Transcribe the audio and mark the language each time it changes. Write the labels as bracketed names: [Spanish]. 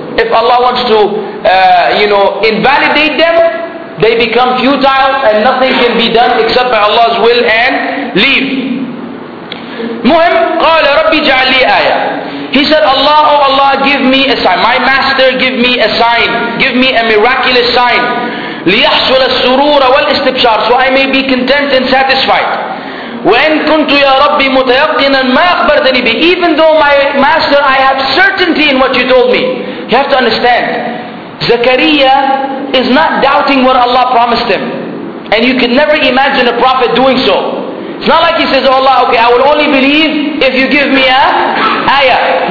[English] If Allah wants to, invalidate them, they become futile and nothing can be done except by Allah's will and leave. [Arabic] مهم, قال ربي اجعل لي آية. [English] He said, Allah, oh Allah, give me a sign. My master, give me a sign. Give me a miraculous sign. [Arabic] ليحصل السرور والاستبشار. [English] So I may be content and satisfied. [Arabic] وإن كنت يا ربي متيقنا ما أخبرتني به. [English] Even though my master, I have certainty in what you told me. You have to understand, Zakaria is not doubting what Allah promised him. And you can never imagine a prophet doing so. It's not like he says, oh Allah, okay, I will only believe if you give me a ayah.